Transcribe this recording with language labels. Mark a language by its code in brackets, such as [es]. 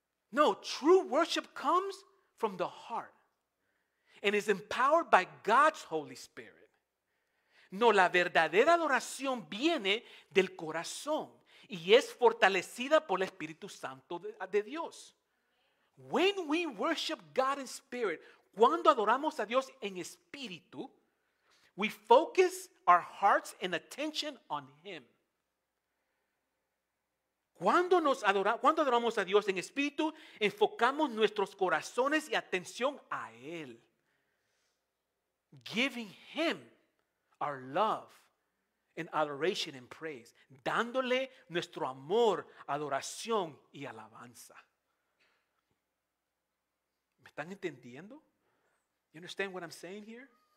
[en] No, true worship comes from the heart and is empowered by God's Holy Spirit. [es] No, la verdadera adoración viene del corazón y es fortalecida por el Espíritu Santo de Dios. [en] When we worship God in spirit, [es] cuando adoramos a Dios en espíritu, [en] we focus our hearts and attention on Him. [es] Cuando adoramos a Dios en espíritu, enfocamos nuestros corazones y atención a Él. [en] Giving Him our love and adoration and praise. [es] Dándole nuestro amor, adoración y alabanza. ¿Me están entendiendo? [en] You understand what I'm saying here?